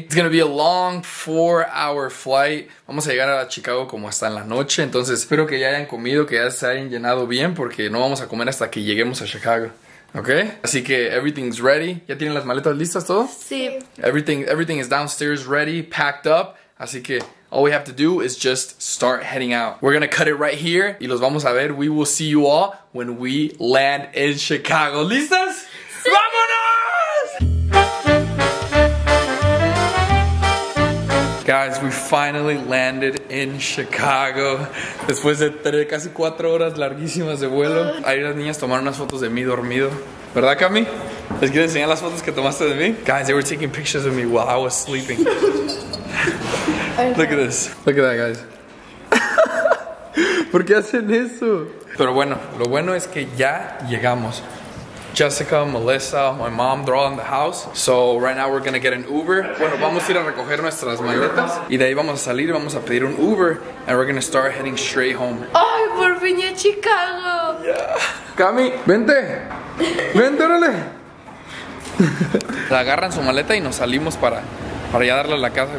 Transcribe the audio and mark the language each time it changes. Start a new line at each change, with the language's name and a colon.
English: It's going to be a long 4-hour flight.
Spanish: Vamos a llegar a Chicago como hasta en la noche. Entonces, espero que ya hayan comido, que ya se hayan llenado bien, porque no vamos a comer hasta que lleguemos a Chicago. Okay, así que
English: everything's ready.
Spanish: ¿Ya tienen las maletas listas todo? Sí.
English: Everything is downstairs ready, packed up.
Spanish: Así que
English: all we have to do is just start heading out. We're gonna cut it right here.
Spanish: Y los vamos a ver.
English: We will see you all when we land in Chicago.
Spanish: ¿Listas? Sí. ¡Vámonos!
English: Guys, we finally landed in Chicago.
Spanish: Después de casi 4 horas larguísimas de vuelo. Ahí las niñas tomaron unas fotos de mí dormido. ¿Verdad, Cami? ¿Les quieres enseñar las fotos que tomaste de mí?
English: Guys, they were taking pictures of me while I was sleeping. Look at this. Look at that, guys.
Spanish: ¿Por qué hacen eso? Pero bueno, lo bueno es que ya llegamos.
English: Jessica, Melissa, my mom, they're all in the house. So right now we're gonna get an Uber.
Spanish: Bueno, vamos a ir a recoger nuestras maletas. Y de ahí vamos a salir y vamos a pedir un Uber.
English: And we're gonna start heading straight home.
Spanish: Ay, por fin ya Chicago. Yeah. Cami, vente. Vente, órale. La agarran su maleta y nos salimos para ya darle a la casa.